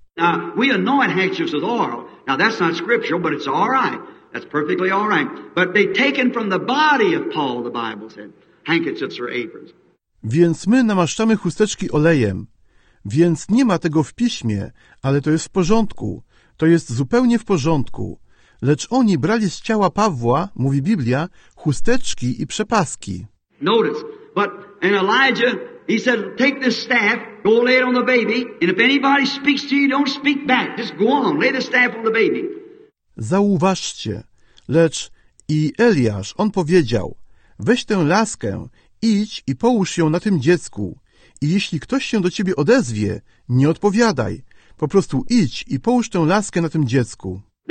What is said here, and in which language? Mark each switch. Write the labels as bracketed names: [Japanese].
[English] Now, we anoint handkerchiefs with oil. Now, that's not scriptural, but it's all right. That's perfectly all right. But they taken from the body of Paul, the Bible said. Handkerchiefs or aprons. [Polish] Więc my namaszczamy chusteczki olejem. Więc nie ma tego w piśmie, ale to jest w porządku. To jest zupełnie w porządku. Lecz oni brali z ciała Pawła, mówi Biblia, chusteczki i przepaski. [English] Notice, but and Elijah, he said, take this staff, go lay it on the baby, and if anybody speaks to you, don't speak back. Just go on, lay the staff on the baby. [Polish] Zauważcie, lecz i Eliasz, on powiedział, weź tę laskę, idź i połóż ją na tym dziecku. I jeśli ktoś się do ciebie odezwie, nie odpowiadaj. Po prostu idź i połóż tę laskę na tym dziecku.